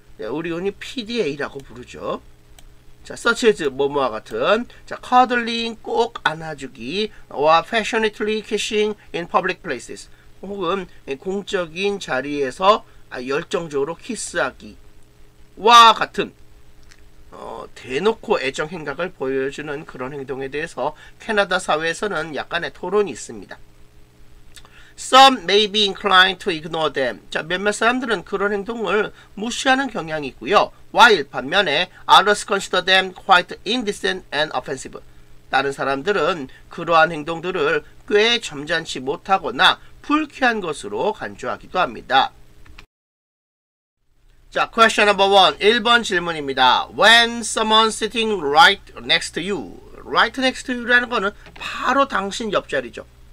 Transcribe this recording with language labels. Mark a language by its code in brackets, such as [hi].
[ko] 우리 흔히 PDA라고 부르죠. 자, such as, 뭐뭐와 같은, 자, cuddling, 꼭 안아주기, [en] or passionately kissing in public places, [ko] 혹은 공적인 자리에서 열정적으로 키스하기와 같은, 대놓고 애정 행각을 보여주는 그런 행동에 대해서 캐나다 사회에서는 약간의 토론이 있습니다. [en] Some may be inclined to ignore them. [ko] 자, 몇몇 사람들은 그런 행동을 무시하는 경향이 있고요. [en] While 반면에 others consider them quite indecent and offensive. [ko] 다른 사람들은 그러한 행동들을 꽤 점잖지 못하거나 불쾌한 것으로 간주하기도 합니다. [en] 자, question number one. [ko] 1번 질문입니다. [en] When someone sitting right next to you. Right next to you [ko] 라는 거는 바로 당신 옆자리죠.